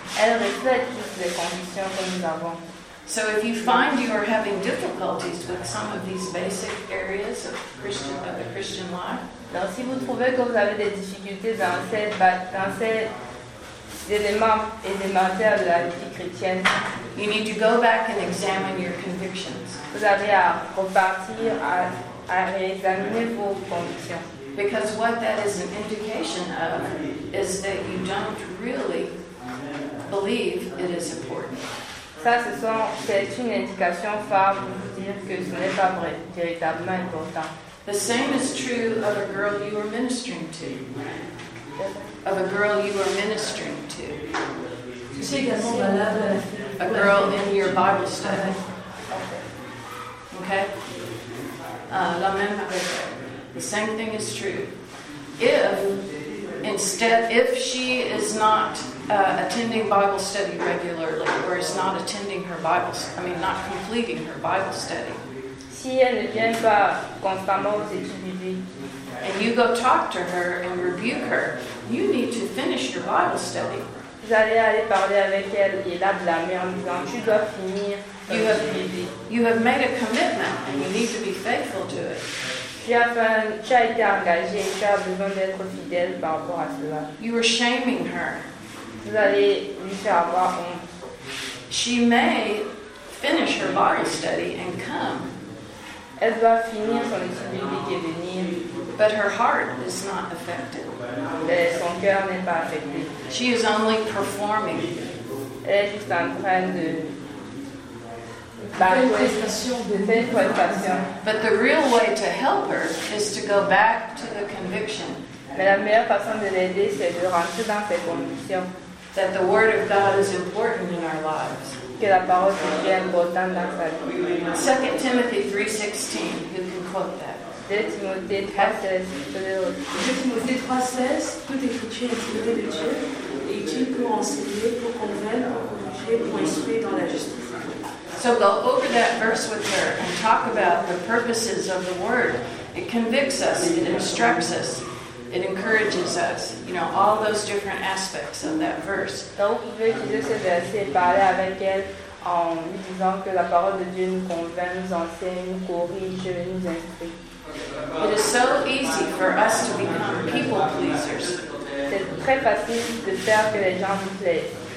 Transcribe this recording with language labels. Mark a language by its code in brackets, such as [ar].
[fr] Elles reflètent toutes les convictions que nous avons. [en] So if you find you are having difficulties with some of these basic areas of the Christian life, [fr] donc si vous trouvez que vous avez des difficultés dans ces éléments élémentaires de la vie chrétienne, [en] you need to go back and examine your convictions. [fr] Vous avez à repartir à réexaminer vos convictions. [en] Because what that is an indication of is that you don't really believe it is important. [fr] Ça, c'est une indication phare pour vous dire que ce n'est pas véritablement important. [en] The same is true of a girl you are ministering to. Of a girl you are ministering to. [fr] C'est également valable. [en] A girl in your Bible study. Okay. Okay? [fr] La même chose. [en] The same thing is true. If she is not attending Bible study regularly, or is not attending her Bible, I mean, not completing her Bible study. [fr] Si elle ne vient pas constamment aux études. [en] And you go talk to her and rebuke her. You need to finish your Bible study. [fr] J'allais aller parler avec elle et la blâmer en disant tu dois finir. [en] You have made a commitment and you need to be faithful to it. [fr] Tu as été engagé et tu as besoin d'être fidèle par rapport à cela. [en] You are shaming her. [fr] Vous allez lui faire avoir honte. [en] She may finish her Bible study and come. [fr] Elle doit finir son étude biblique et venir. [en] But her heart is not affected. [fr] Mais son cœur n'est pas affecté. [en] She is only performing. [fr] Elle est juste en train de... [en] But the real way to help her is to go back to the conviction. [fr] Mais la meilleure façon de l'aider, c'est de rentrer dans ses convictions. [en] That the word of God is important in our lives. [fr] Que la parole de Dieu est importante dans sa vie. [en] 2 Timothy 3:16. Who can quote that? [fr] 2 Timothée 3:16. Tout écriture est inspirée de Dieu et utile pour enseigner, pour convaincre, pour juger, pour instruire dans la justice. [en] So go over that verse with her and talk about the purposes of the word. It convicts us, it instructs us, it encourages us. You know, all those different aspects of that verse. [fr] Donc, vous pouvez utiliser ce verset et parler avec elle en lui disant que la parole de Dieu nous convainc, nous enseigne, nous corrige, nous instruit. [en] It is so easy for us to become people pleasers. [fr] C'est très facile de faire que les gens nous plaisent.